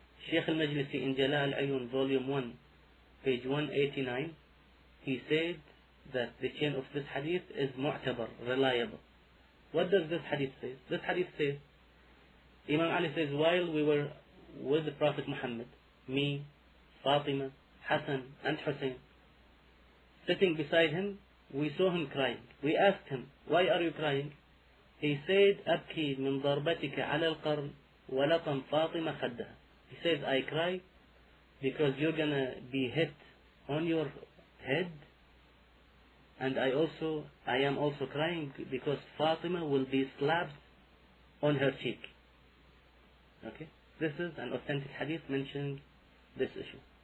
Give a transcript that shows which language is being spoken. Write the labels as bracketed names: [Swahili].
[English] Sheikh al-Majlisi in Jalal al-Ayun, volume 1, page 189, he said that the chain of this hadith is mu'tabar, reliable. What does this hadith say? This hadith says, Imam Ali says, while we were with the Prophet Muhammad, me, Fatima, Hassan, and Hussein, sitting beside him, we saw him crying. We asked him, why are you crying? He said, [Arabic] أبكي من ضربتك على القرن ولطم فاطمة خدها. [English] He says, I cry because you're gonna be hit on your head, and I am also crying because Fatima will be slapped on her cheek. Okay, this is an authentic hadith mentioning this issue.